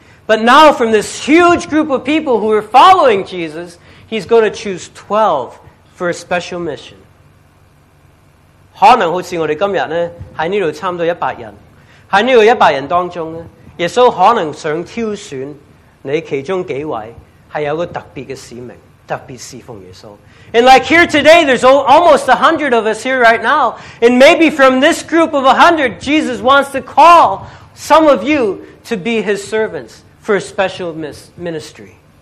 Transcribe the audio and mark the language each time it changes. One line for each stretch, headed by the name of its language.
English: But now from this huge group of people who are following Jesus, he's going to choose 12 for a special mission.
Chinese: 可能好像我们今天呢,在这里差不多100人,在这里100人当中呢,耶稣可能想挑选你其中几位,是有个特别的使命。
English: And like here today, there's almost 100 of us here right now. And maybe from this group of 100, Jesus wants to call some of you to be his servants for a special ministry.